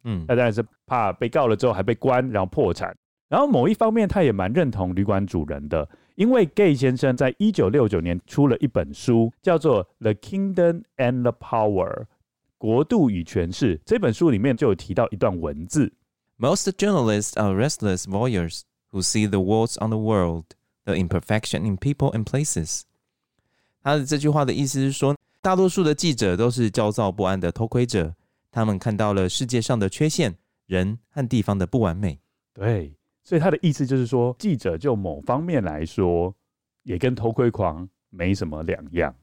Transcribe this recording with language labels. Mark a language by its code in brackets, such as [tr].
[zh] 嗯，他当然是怕被告了之后还被关，然后破产。然后某一方面，他也蛮认同旅馆主人的。因为 Gay 先生在1969年出了一本书叫做 The Kingdom and the Power， 国度与权势，这本书里面就有提到一段文字。 [en] Most journalists are restless voyeurs who see the warts on the world, the imperfection in people and places. [zh] 他的这句话的意思是说，大多数的记者都是焦躁不安的偷窥者，他们看到了世界上的缺陷，人和地方的不完美。对，所以他的意思就是说，记者就某方面来说也跟偷窥狂没什么两样。